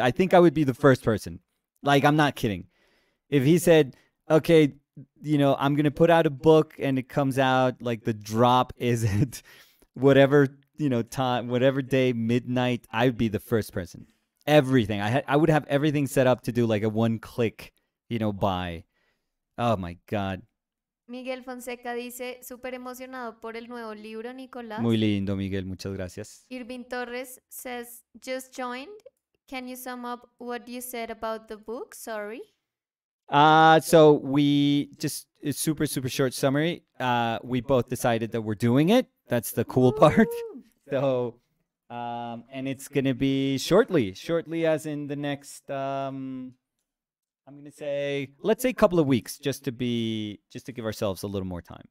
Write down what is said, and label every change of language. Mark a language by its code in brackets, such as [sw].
[en] I think I would be the first person. Like, I'm not kidding. If he said, okay, you know, I'm going to put out a book and it comes out like the drop is at whatever, you know, time, whatever day, midnight, I'd be the first person. Everything. I would have everything set up to do like a one click, you know, buy. Oh my God. [es] Miguel Fonseca dice, super emocionado por el nuevo libro, Nicolás. Muy lindo, Miguel. Muchas gracias. [en] Irving Torres says, just joined. Can you sum up what you said about the book? Sorry. So we just a super, super short summary. We both decided that we're doing it. That's the cool part. So, and it's gonna be shortly, as in the next, I'm gonna say, let's say a couple of weeks, just to give ourselves a little more time.